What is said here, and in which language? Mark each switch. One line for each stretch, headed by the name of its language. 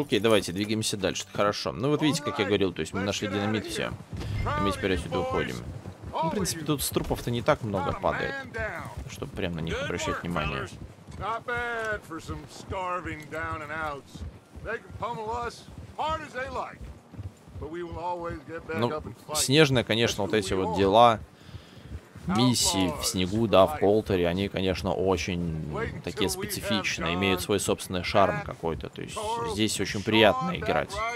Russian: Окей, давайте двигаемся дальше. Хорошо. Ну вот видите, как я говорил, то есть мы нашли динамит, все. И мы теперь отсюда уходим. Ну, в принципе, тут с трупов-то не так много падает, чтобы прямо на них обращать внимание.
English: Not bad for some starving down and outs. They can pummel us hard as they like. But we will always get back up and fight.
Russian: Снежная, конечно, вот эти вот дела, миссии в снегу, да, в Колтере, они, конечно, очень такие специфичные, имеют свой собственный шарм какой-то. То есть здесь очень приятно играть.